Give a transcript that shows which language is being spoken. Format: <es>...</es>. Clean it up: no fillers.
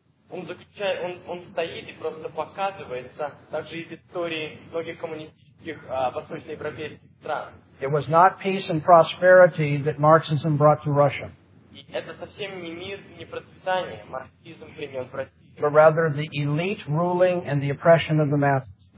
<ru>Он стоит и просто показывается также из истории многих коммунистических восточноевропейских стран.</ru> <en>It was not peace and prosperity that Marxism brought to Russia.</en> <ru>И это совсем не мир, не процветание. Марксизм принес в Россию.</ru> <en>But rather the elite ruling and the oppression of the masses.</en>